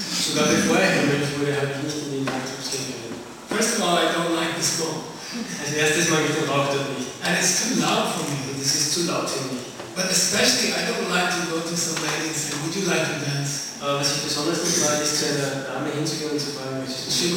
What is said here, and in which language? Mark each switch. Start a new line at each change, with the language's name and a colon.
German: Sogar bevor ich ein Mönch wurde, habe ich nicht in den Nightclubs gegangen.
English: First of all, I don't like the smoke.
German: Als erstes mag ich den Rauch dort nicht.
English: And it's too loud for me.
German: Und es ist zu laut für mich.
English: But especially, I don't like to go to some lady and say, would you like to dance?
German: Aber was ich besonders nicht mag, ist zu einer Dame hinzugehen und zu fragen, was ich